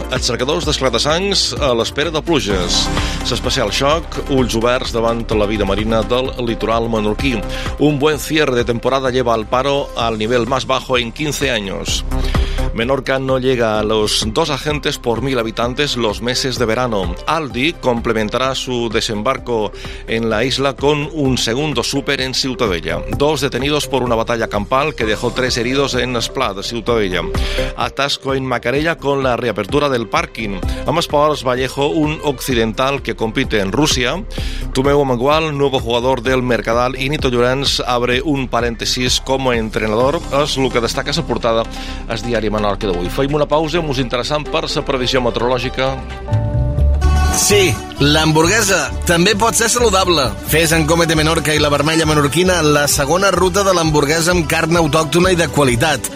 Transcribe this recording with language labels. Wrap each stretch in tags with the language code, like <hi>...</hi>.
<ca>Els cercadors d'esclatassangs a l'espera de pluges. S'especial xoc, ulls oberts davant la vida marina del litoral menorquí.</ca> <es>Un buen cierre de temporada lleva al paro al nivel más bajo en 15 años. Menorca no llega a los 2 agentes por 1000 habitantes los meses de verano. Aldi complementará su desembarco en la isla con un segundo súper en Ciutadella. 2 detenidos por una batalla campal que dejó 3 heridos en Esplà de Ciutadella. Atasco en Macarella con la reapertura del parking.</es> <ca>Amb esports,</ca> <es>Vallejo, un occidental que compite en Rusia. Tomeu Amagual, nuevo jugador del Mercadal, y Nito Llorenç abre un paréntesis como entrenador.</es> <ca>És el que destaca la portada al diari Menorca d'avui. Fem una pausa, molt interessant per la previsió meteorològica. Sí, l'hamburguesa també pot ser saludable. Fes en Comet de Menorca i la Vermella Menorquina la segona ruta de l'hamburguesa amb carn autòctona i de qualitat.</ca>